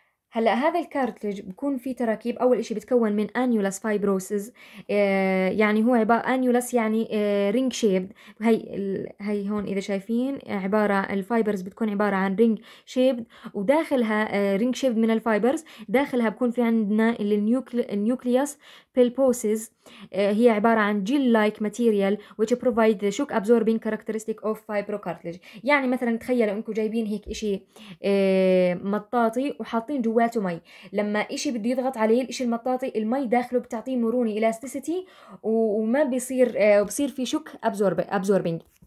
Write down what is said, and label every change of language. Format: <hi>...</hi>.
<ar>هلا هذا الكارتلج بكون فيه تراكيب. اول اشي بتكون من انيولس فايبروسز، يعني هو عباره انيولس يعني رينج شيبد. هي هون اذا شايفين عباره الفايبرز بتكون عباره عن رينج شيبد، وداخلها رينج شيبد من الفايبرز، داخلها بكون في عندنا النيوكليوس بيلبوسز. هي عباره عن جيل لايك ماتيريال</ar> <en>which provide the shock absorbing characteristic of fibrocartilage.</en> <ar>يعني مثلا تخيلوا انكم جايبين هيك اشي مطاطي وحاطين جواته مي، لما اشي بده يضغط عليه الاشي المطاطي المي داخله بتعطيه مرونه الاستيسيتي، وما بيصير بصير في شوك absorbing.</ar>